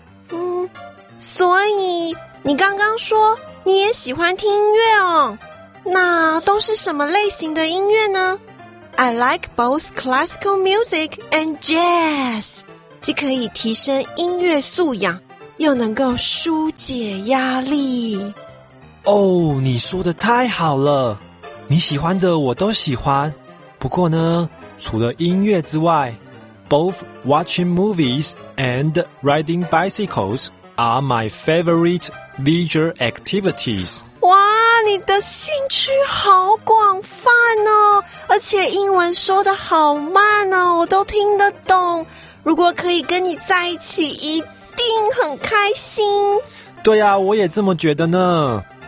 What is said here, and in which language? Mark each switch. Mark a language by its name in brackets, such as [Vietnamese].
[Chinese] 嗯，所以你刚刚说你也喜欢听音乐哦，那都是什么类型的音乐呢？ [English] I like both classical music and jazz， [Chinese] 既可以提升音乐素养，又能够纾解压力。哦，你说的太好了，你喜欢的我都喜欢。不过呢，除了音乐之外， [English] both watching movies and riding bicycles are my favorite leisure activities。 [Chinese] 哇，你的兴趣好广泛哦，而且英文说得好慢哦，我都听得懂。如果可以跟你在一起，一定很开心。对啊，我也这么觉得呢。